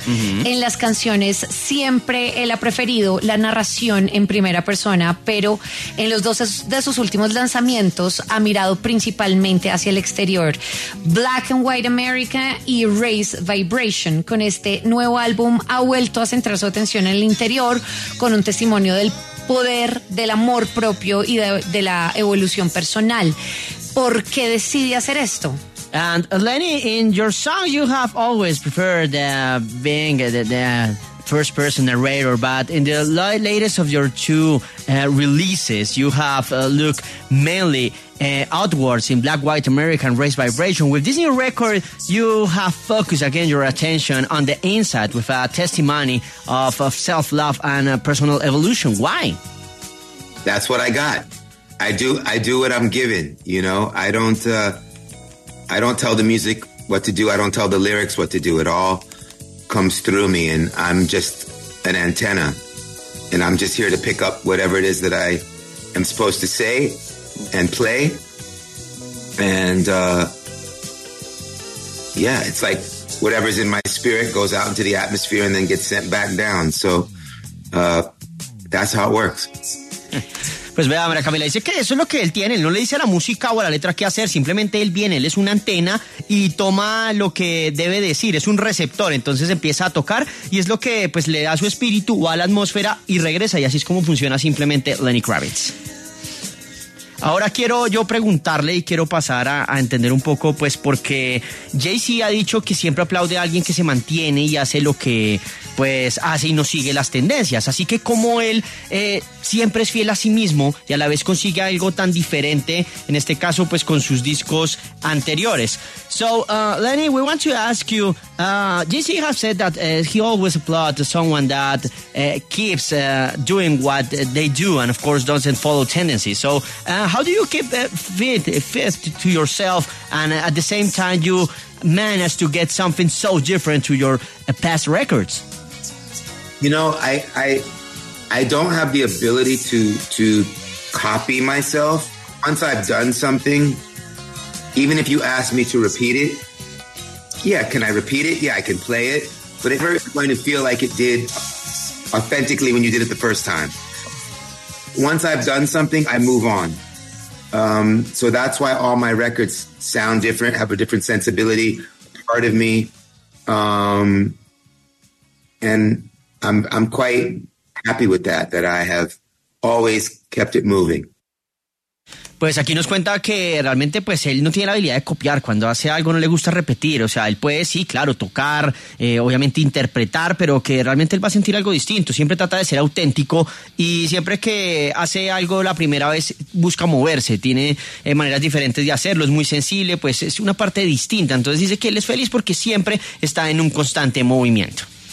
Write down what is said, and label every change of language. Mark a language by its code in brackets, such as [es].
[es] Uh-huh. En las canciones siempre él ha preferido la narración en primera persona, pero en los dos de sus últimos lanzamientos ha mirado principalmente hacia el exterior. [en] Black and White America y Race Vibration. [es] Con este nuevo álbum ha vuelto a centrar su atención en el interior con un testimonio del poder del amor propio y de la evolución personal. ¿Por qué decidí hacer esto? [en] And Lenny, in your song you have always preferred being the first person narrator, but in the latest of your two releases you have looked mainly outwards in Black White American Race Vibration. With this new record you have focused again your attention on the inside with a testimony of self-love and personal evolution. Why? That's what I got. I do what I'm given, you know. I don't tell the music what to do. I don't tell the lyrics what to do. It all comes through me, and I'm just an antenna, and I'm just here to pick up whatever it is that I am supposed to say and play. And it's like whatever's in my spirit goes out into the atmosphere and then gets sent back down. So that's how it works. [es] Pues vea, María Camila dice que eso es lo que él tiene. Él no le dice a la música o a la letra qué hacer. Simplemente él viene, él es una antena y toma lo que debe decir. Es un receptor, entonces empieza a tocar y es lo que pues le da su espíritu, va a la atmósfera y regresa. Y así es como funciona simplemente Lenny Kravitz. Ahora quiero yo preguntarle y quiero pasar a entender un poco, pues porque Jay-Z ha dicho que siempre aplaude a alguien que se mantiene y hace lo que pues hace y no sigue las tendencias. Así que como él siempre es fiel a sí mismo y a la vez consigue algo tan diferente, en este caso pues con sus discos anteriores. [en] So Lenny, we want to ask you, Jay-Z has said that he always applauds someone that keeps doing what they do and of course doesn't follow tendencies. So how do you keep fit to yourself and at the same time you manage to get something so different to your past records? You know, I don't have the ability to copy myself. Once I've done something, even if you ask me to repeat it, yeah, can I repeat it? Yeah, I can play it. But it's never going to feel like it did authentically when you did it the first time. Once I've done something, I move on. So that's why all my records sound different, have a different sensibility, part of me. And I'm quite happy with that I have always kept it moving. [es] Pues aquí nos cuenta que realmente pues él no tiene la habilidad de copiar, cuando hace algo no le gusta repetir, o sea, él puede, sí, claro, tocar, obviamente interpretar, pero que realmente él va a sentir algo distinto, siempre trata de ser auténtico y siempre que hace algo la primera vez busca moverse, tiene maneras diferentes de hacerlo, es muy sensible, pues es una parte distinta, entonces dice que él es feliz porque siempre está en un constante movimiento.